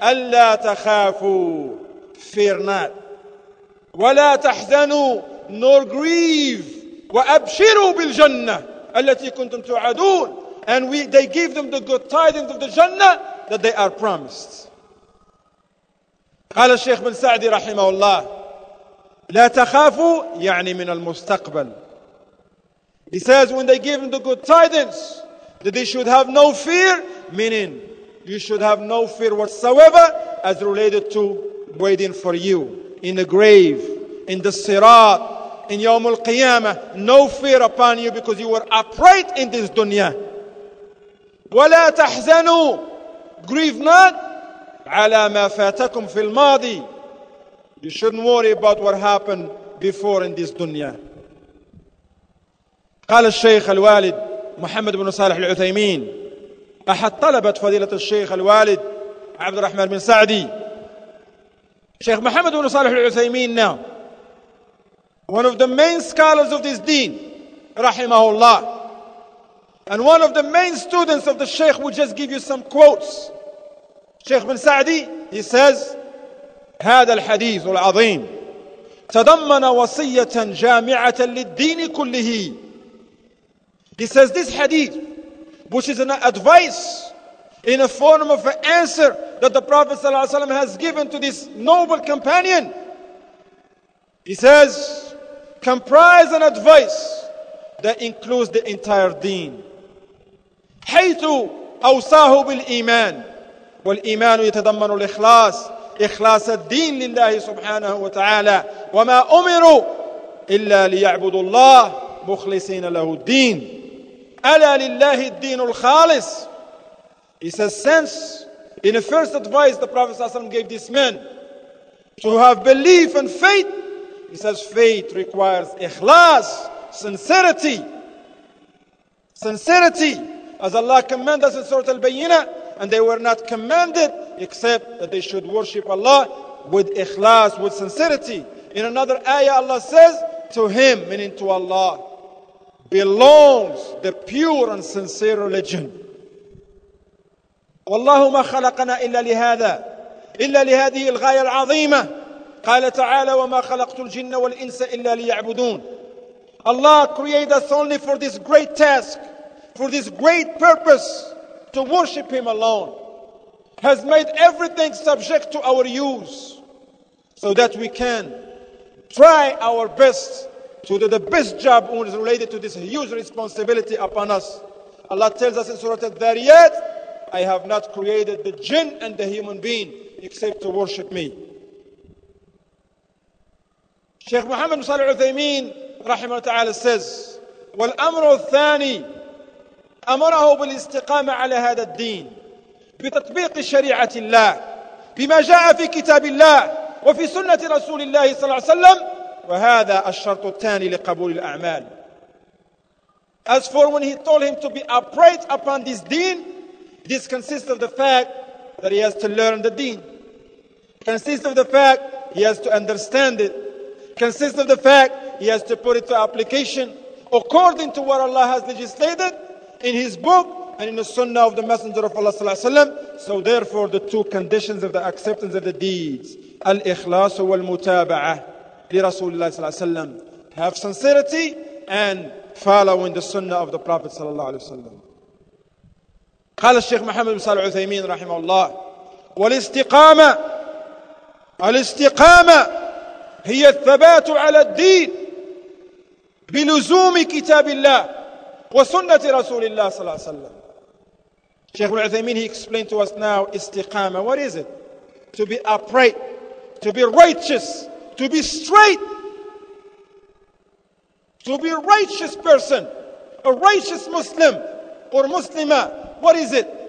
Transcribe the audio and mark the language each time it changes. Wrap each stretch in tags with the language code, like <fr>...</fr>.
<ar>أَلَّا تَخَافُوا,</ar> <en>fear not.</en> <ar>وَلَا تَحْزَنُوا,</ar> <en>nor grieve.</en> <ar>وَأَبْشِرُوا بِالْجَنَّةِ الَّتِي كُنْتُمْ تُعَدُونَ,</ar> <en>and they give them the good tidings of the Jannah that they are promised.</en> <ar>قال الشيخ بن سعدي رحمه الله لا تخافوا يعني من المستقبل.</ar> <en>He says when they give them the good tidings that they should have no fear, meaning you should have no fear whatsoever as related to waiting for you in the grave, in the sirat, in Yawm al-Qiyamah, no fear upon you because you were upright in this dunya.</en> <ar>ولا تحزنوا,</ar> <en>grieve not,</en> <ar>على ما فاتكم في الماضي.</ar> <en>You shouldn't worry about what happened before in this dunya.</en> <ar>قال الشيخ الوالد محمد بن صالح العثيمين أحد طلبة فضيلة الشيخ الوالد عبد الرحمن بن سعدي.</ar> <en>شيخ محمد بن صالح العثيمين now one of the main scholars of this deen رحمه الله, and one of the main students of the Sheikh. Will just give you some quotes.</en> <ar>Sheikh bin Sa'di,</ar> <en>he says,</en> <ar>هذا الحديث العظيم تضمن وصية جامعة للدين كله.</ar> <en>He says this hadith, which is an advice in a form of an answer that the Prophet ﷺ has given to this noble companion, he says, comprise an advice that includes the entire deen.</en> <ar>حيث أوصاه بالإيمان والإيمان يتضمن الإخلاص, إخلاص الدين لله سبحانه وتعالى, وما أمروا إلا ليعبدوا الله مخلصين له الدين. ألا لله الدين الخالص.</ar> <en>He says, since in the first advice the Prophet ﷺ gave this man to have belief and faith, he says, faith requires ikhlas, sincerity. Sincerity, as Allah commanded us in Surah Al-Bayyinah, and they were not commanded except that they should worship Allah with ikhlas, with sincerity. In another ayah, Allah says, to him, meaning to Allah, belongs the pure and sincere religion.</en> <ar>والله ما خلقنا إلا لهذا إلا لهذه الغاية العظيمة. قال تعالى وما خلقت الجن والإنس إلا ليعبدون.</ar> <en>Allah created us only for this great task, for this great purpose, to worship Him alone. Has made everything subject to our use, so that we can try our best to do the best job related to this huge responsibility upon us. Allah tells us in Surah Al-Dhariyat, I have not created the jinn and the human being except to worship me. Sheikh Muhammad Salih Al-Uthaymeen rahimahullah ta'ala says,</en> <ar>والأمر الثاني أمره بالاستقامة على هذا الدين بتطبيق شريعة الله بما جاء في كتاب الله وفي سنة رسول الله صلى الله عليه وسلم, وهذا الشرط الثاني لقبول الأعمال.</ar> <en>As for when he told him to be upright upon this deen, this consists of the fact that he has to learn the deen. Consists of the fact he has to understand it. Consists of the fact he has to put it to application according to what Allah has legislated in His book and in the sunnah of the Messenger of Allah sallallahu alaihi wasallam. So therefore the two conditions of the acceptance of the deeds, al-ikhlas wal-mutaba'a li Rasulullah sallallahu alaihi wasallam, have sincerity and following the sunnah of the Prophet sallallahu alaihi wasallam.</en> <ar>قال الشيخ محمد بن صالح العثيمين رحمه الله والاستقامة, الاستقامة هي الثبات على الدين بلزوم كتاب الله وسنة رسول الله صلى الله عليه وسلم.</ar> <en>الشيخ بن عثيمين, he explained to us now استقامة, what is it? To be upright, to be righteous, to be straight, to be a righteous person, a righteous Muslim or Muslima. What is it?</en>